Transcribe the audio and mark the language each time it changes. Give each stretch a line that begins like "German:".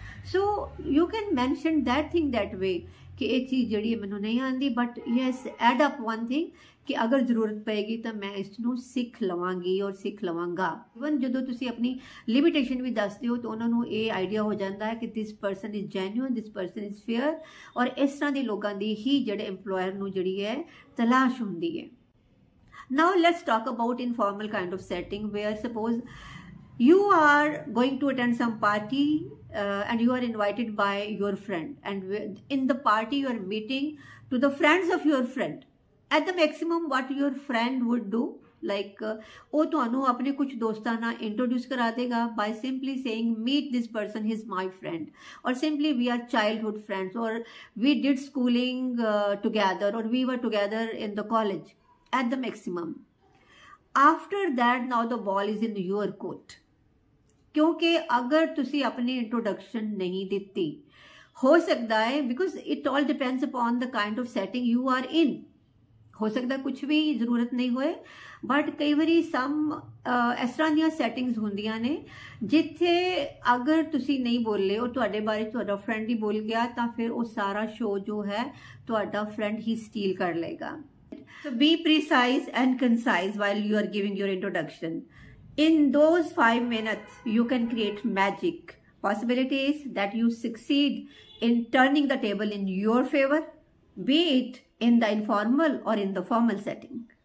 English: so you can mention that thing that way
Punjabi: ਕਿ ਇਹ ਚੀਜ਼ ਜਿਹੜੀ ਹੈ ਮੈਨੂੰ ਨਹੀਂ ਆਉਂਦੀ,
English: but yes add up one thing
Punjabi: ਕਿ ਅਗਰ ਜ਼ਰੂਰਤ ਪਏਗੀ ਤਾਂ ਮੈਂ ਇਸ ਨੂੰ ਸਿੱਖ ਲਵਾਂਗੀ ਔਰ ਸਿੱਖ ਲਵਾਂਗਾ। ਈਵਨ ਜਦੋਂ ਤੁਸੀਂ ਆਪਣੀ ਲਿਮਿਟੇਸ਼ਨ ਵੀ ਦੱਸਦੇ ਹੋ ਤਾਂ ਉਹਨਾਂ ਨੂੰ ਇਹ ਆਈਡੀਆ ਹੋ ਜਾਂਦਾ ਹੈ ਕਿ
English: this person is genuine, this person is fair,
Punjabi: ਔਰ ਇਸ ਤਰ੍ਹਾਂ ਦੇ ਲੋਕਾਂ ਦੀ ਹੀ ਜਿਹੜੇ ਇੰਪਲੋਇਰ ਨੂੰ ਜਿਹੜੀ ਹੈ ਤਲਾਸ਼ ਹੁੰਦੀ ਹੈ।
English: Now let's talk about informal kind of setting where suppose you are going to attend some party and you are invited by your friend and in the party you are meeting to the friends of your friend. At the maximum what your friend would do, like
Punjabi: oh tuhanu apne kuch doston na introduce kara dega
English: by simply saying meet this person, he is my friend, or simply we are childhood friends, or we did schooling together, or we were together in the college. At the maximum, after that now the ball is in your court.
Punjabi: ਕਿਉਂਕਿ ਅਗਰ ਤੁਸੀਂ ਆਪਣੀ introduction ਨਹੀਂ ਦਿੱਤੀ, ਹੋ ਸਕਦਾ ਹੈ
English: because it all depends upon the kind of setting you are in,
Punjabi: ਹੋ ਸਕਦਾ ਕੁਛ ਵੀ ਜ਼ਰੂਰਤ ਨਹੀਂ ਹੋਏ, ਬਟ ਕਈ ਵਾਰੀ ਸਮ ਇਸ ਤਰ੍ਹਾਂ ਦੀਆਂ ਸੈਟਿੰਗਸ ਹੁੰਦੀਆਂ ਨੇ ਜਿੱਥੇ ਅਗਰ ਤੁਸੀਂ ਨਹੀਂ ਬੋਲੇ ਉਹ ਤੁਹਾਡੇ ਬਾਰੇ ਤੁਹਾਡਾ ਫਰੈਂਡ ਹੀ ਬੋਲ ਗਿਆ ਤਾਂ ਫਿਰ ਉਹ ਸਾਰਾ ਸ਼ੋਅ ਜੋ ਹੈ ਤੁਹਾਡਾ ਫਰੈਂਡ ਹੀ ਸਟੀਲ ਕਰ ਲਏਗਾ।
English: Be precise and concise while you are giving your introduction. In those 5 minutes, you can create magic. Possibility is that you succeed in turning the table in your favor, be it in the informal or in the formal setting.